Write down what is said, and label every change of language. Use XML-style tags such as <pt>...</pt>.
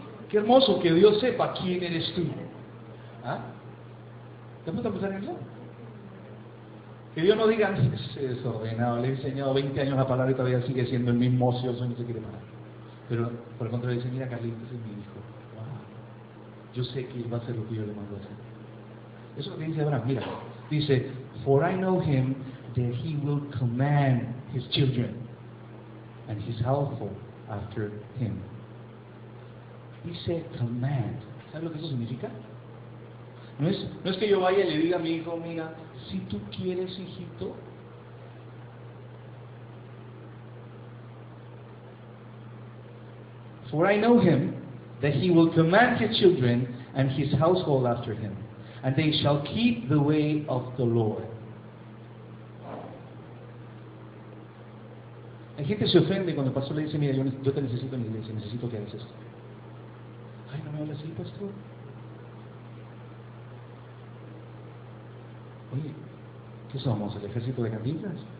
<es>Qué hermoso que Dios sepa quién eres tú. ¿Ah? ¿Te gusta pensar en eso? Que Dios no diga: es desordenado, le he enseñado 20 años la palabra y todavía sigue siendo el mismo ocioso y no se quiere parar. Pero por el contrario, dice: mira, Carlito, ese es mi hijo. Wow. Yo sé que él va a hacer lo que yo le mando a hacer. Eso es lo que dice Abraham, mira. Dice:</es> <en>for I know him that he will command his children and his household after him.</en> <es>Dice command. ¿Sabes lo que eso significa? No es que yo vaya y le diga a mi hijo: mira, si tú quieres, hijito,</es> <en>for I know him that he will command his children and his household after him, and they shall keep the way of the Lord.</en> <es>Hay gente se ofende cuando el pastor le dice, mira, yo te necesito en la iglesia, necesito que hagas esto. Ay, no me hables así, pastor. Oye, ¿qué somos, el ejército de Cantinflas?</es>